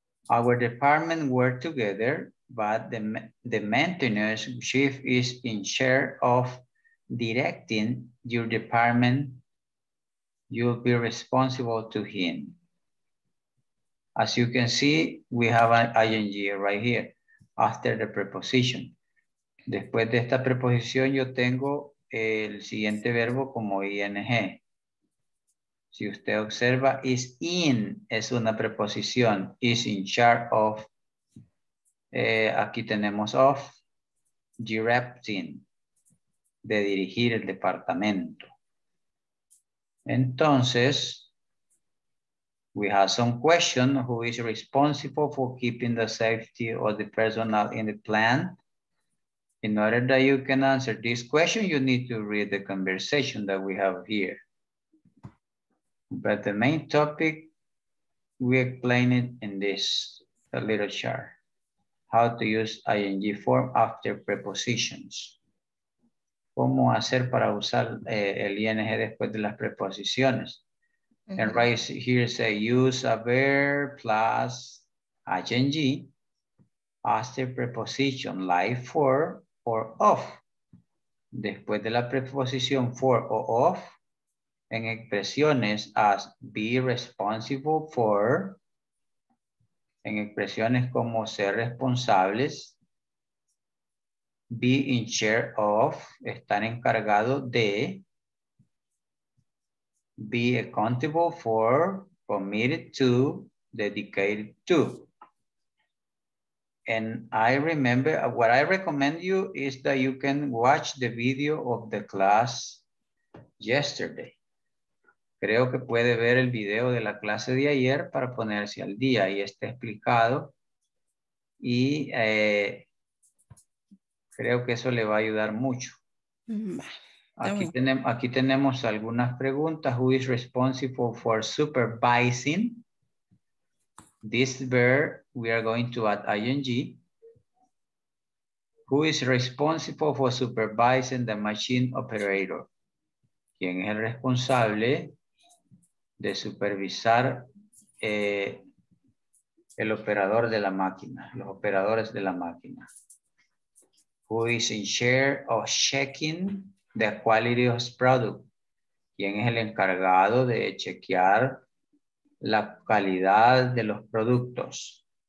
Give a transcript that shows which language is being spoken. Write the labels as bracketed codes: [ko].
[en] Our department work together, but the maintenance chief is in charge of directing your department. You'll be responsible to him. As you can see, we have an ing right here after the preposition. [es] Después de esta preposición, yo tengo el siguiente verbo como ing. Si usted observa, is in es una preposición, [en] is in charge of, [es] aquí tenemos of, [en] directing, [es] de dirigir el departamento. [en] Entonces, we have some question, who is responsible for keeping the safety of the personnel in the plant? In order that you can answer this question, you need to read the conversation that we have here. But the main topic, we explain it in this little chart. How to use ing form after prepositions. [es] cómo hacer para usar el ing después de las preposiciones. Uh-huh. [en] And right here say use a verb plus ing as the preposition like for or of. [es] Después de la preposición for o of, en expresiones as [en] be responsible for, [es] en expresiones como ser responsables, [en] be in charge of, [es] estar encargado de, [en] be accountable for, committed to, dedicated to. And I remember, what I recommend you is that you can watch the video of the class yesterday. [es] Creo que puede ver el video de la clase de ayer para ponerse al día y está explicado. Y creo que eso le va a ayudar mucho. Aquí tenemos algunas preguntas. [en] Who is responsible for supervising? This verb, we are going to add ing. Who is responsible for supervising the machine operator? [es] ¿Quién es el responsable de supervisar el operador de la máquina, los operadores de la máquina? [en] Who is in charge of checking the quality of the product? [es] ¿Quién es el encargado de chequear la calidad de los productos?